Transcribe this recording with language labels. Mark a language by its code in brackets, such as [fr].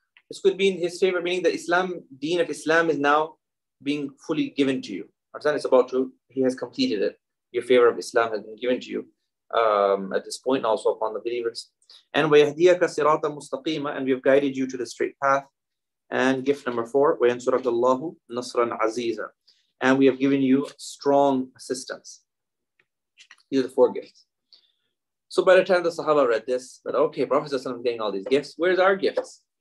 [en] This could mean his favor, meaning the Islam, deen of Islam is now being fully given to you. Understand? It's about to, he has completed it. Your favor of Islam has been given to you at this point, also upon the believers. And [ar] وَيَهْدِيَكَ صِرَاطًا مُسْتَقِيمًا. [en] And we have guided you to the straight path. And gift number four, [ar] وَيَنْصُرَكَ اللَّهُ نَصْرًا عَزِيزًا. [en] And we have given you strong assistance. These are the four gifts. So by the time the Sahaba read this, but okay, Prophet is getting all these gifts. Where's our gifts?